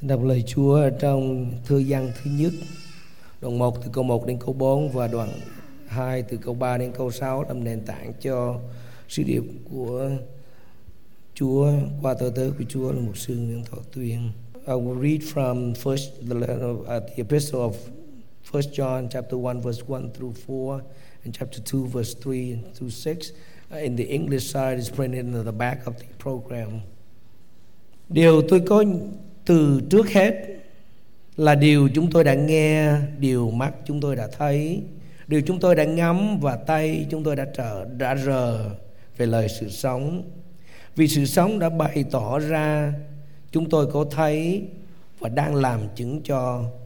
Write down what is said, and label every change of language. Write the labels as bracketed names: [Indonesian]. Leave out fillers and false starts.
[Vietnamese] Đọc lời Chúa ở trong Thư Giăng thứ nhất, đoạn 1 từ câu 1 đến câu 4 và đoạn 2 từ câu 3 đến câu 6 làm nền tảng cho sứ điệp của Chúa qua tờ tớ của Chúa là mục sư Nguyễn Thọ Tuyên. [English] I will read from the epistle of 1 John chapter 1 verse 1 through 4 and chapter 2 verse 3 through 6 in the English side is printed in the back of the program. [Vietnamese] Điều tôi có từ trước hết là điều chúng tôi đã nghe, điều mắt chúng tôi đã thấy, điều chúng tôi đã ngắm và tay chúng tôi đã rờ về lời sự sống. Vì sự sống đã bày tỏ ra, chúng tôi có thấy và đang làm chứng cho.